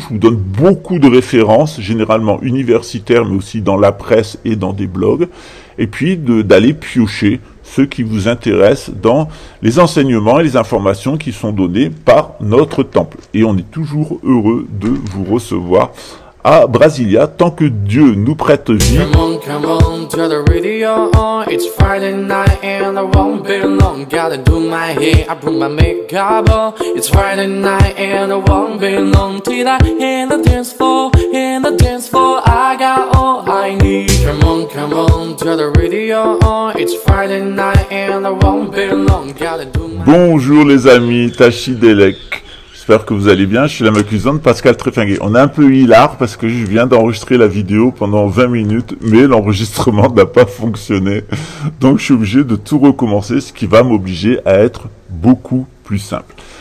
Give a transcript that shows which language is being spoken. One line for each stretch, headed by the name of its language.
French: Je vous donne beaucoup de références, généralement universitaires, mais aussi dans la presse et dans des blogs, et puis d'aller piocher ce qui vous intéresse dans les enseignements et les informations qui sont données par notre temple. Et on est toujours heureux de vous recevoir à Brasilia, tant que Dieu nous prête vie.
English: Come on, come on, turn the radio on. It's Friday night and I won't be long. Gotta do my hair, I put my makeup on. It's Friday night and I won't be long. Till I hit the dance floor, hit the dance floor. I got all I need. Come on, come on, turn the radio on. It's Friday night and I won't be long. Gotta do my hair.
French: Bonjour les amis, Tachi Delek. J'espère que vous allez bien, je suis la Macusante, Pascal Tréfinguet. On a un peu hilar parce que je viens d'enregistrer la vidéo pendant 20 minutes, mais l'enregistrement n'a pas fonctionné. Donc je suis obligé de tout recommencer, ce qui va m'obliger à être beaucoup plus simple.